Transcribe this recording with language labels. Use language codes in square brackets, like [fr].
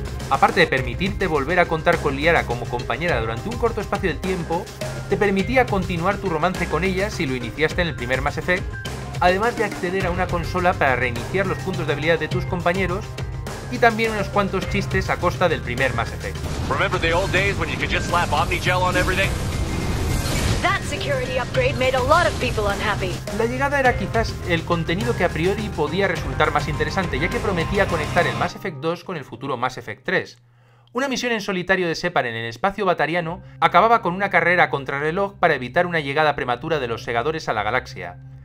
[es] Aparte de permitirte volver a contar con Liara como compañera durante un corto espacio de tiempo, te permitía continuar tu romance con ella si lo iniciaste en el primer Mass Effect, además de acceder a una consola para reiniciar los puntos de habilidad de tus compañeros y también unos cuantos chistes a costa del primer Mass Effect. [en] Remember the old days when you could just slap Omnigel on everything? That security upgrade made a lot of people unhappy. [es] La llegada era quizás el contenido que a priori podía resultar más interesante, ya que prometía conectar el Mass Effect 2 con el futuro Mass Effect 3. Una misión en solitario de Shepard en el espacio batariano acababa con una carrera a contrarreloj para evitar una llegada prematura de los Segadores a la galaxia.